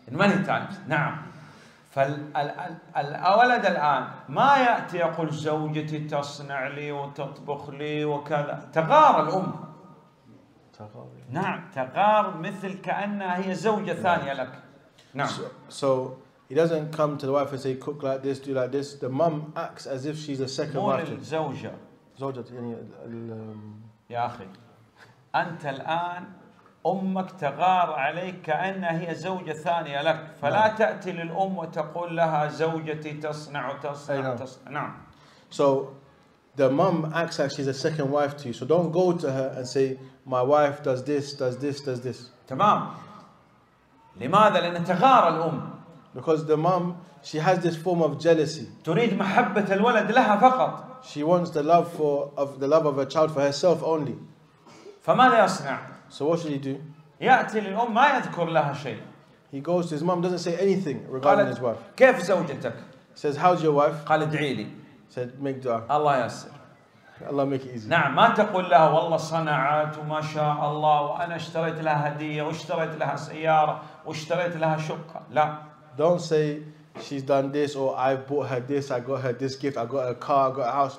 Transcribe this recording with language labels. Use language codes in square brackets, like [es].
[en] Many times. [ar] نعم. فالولد الآن ما يأتي يقول زوجتي تصنع لي وتطبخ لي وكذا، تغار الأم. تغار. نعم تغار، مثل كأنها هي زوجة ثانية لك. نعم. [en] So he doesn't come to the wife and say cook like this, do like this. The mum acts as if she's a second wife. [ar] الزوجة. زوجة يعني يا أخي أنت الآن أمك تغار عليك كأنها هي زوجة ثانية لك، فلا نعم. تأتي للأم وتقول لها زوجتي تصنع وتصنع وتصنع. نعم. [en] So the mom acts like she's a second wife to you. So don't go to her and say my wife does this, does this, does this. [ar] تمام. لماذا؟ لأن تغار الأم. [en] Because the mom she has this form of jealousy. [ar] تريد محبة الولد لها فقط. [en] She wants the love for of the love of her child for herself only. [ar] فماذا يصنع؟ [en] So what should he do? [ar] يأتي للأم ما يذكر لها شيء. [en] He goes to his mom, doesn't say anything regarding his wife. [ar] كيف زوجتك؟ [en] Says how's your wife? [ar] قال ادعي لي. [en] Said make dua. [ar] الله يسر. [en] الله make it easy. [ar] نعم ما تقول لها والله صنعت وما شاء الله وأنا اشتريت لها هدية واشتريت لها سيارة واشتريت لها شقة. لا. [en] Don't say she's done this or I bought her this, I got her this gift, I got a car, I got a house.